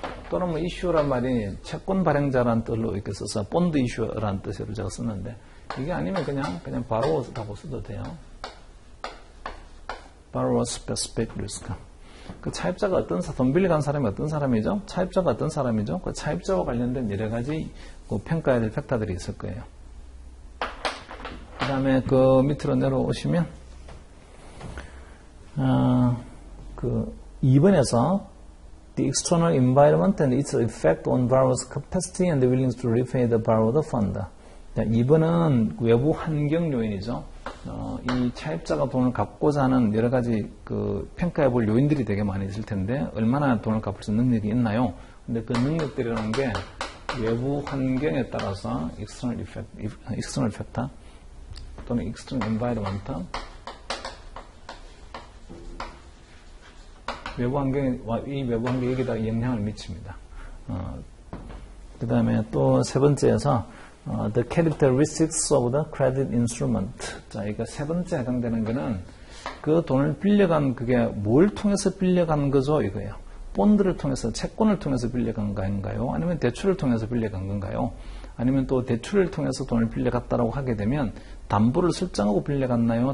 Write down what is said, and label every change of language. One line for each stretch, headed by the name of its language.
Korean: 또는 뭐 이슈란 말이 채권 발행자란 뜻으로 이렇게 써서 본드 이슈란 뜻으로 제가 썼는데, 이게 아니면 그냥 바로라고 써도 돼요. 바로 스페셜 리스크. 그 차입자가 어떤 돈 빌려간 사람이 어떤 사람이죠? 차입자가 어떤 사람이죠? 그 차입자와 관련된 여러 가지 그 평가해야 될 팩터들이 있을 거예요. 그다음에 그 밑으로 내려오시면 그 2번에서
English: The external environment and its effect on borrower's capacity and the willingness to repay the borrower the fund.
Korean: 자, 2번은 외부 환경 요인이죠. 이 차입자가 돈을 갚고자 하는 여러 가지 그 평가해 볼 요인들이 되게 많이 있을 텐데, 얼마나 돈을 갚을 수 있는 능력이 있나요? 근데 그 능력들이라는 게 외부 환경에 따라서 external factor 또는 external environment. 외부 환경, 이 외부 환경에다 영향을 미칩니다. 그 다음에 또 세 번째에서,
English: the characteristics of the credit instrument.
Korean: 자, 이거 세 번째 해당되는 거는 그 돈을 빌려간 그게 뭘 통해서 빌려간 거죠? 이거예요. 본드를 통해서, 채권을 통해서 빌려간 건가요? 아니면 대출을 통해서 빌려간 건가요? 아니면 또 대출을 통해서 돈을 빌려갔다라고 하게 되면 담보를 설정하고 빌려갔나요?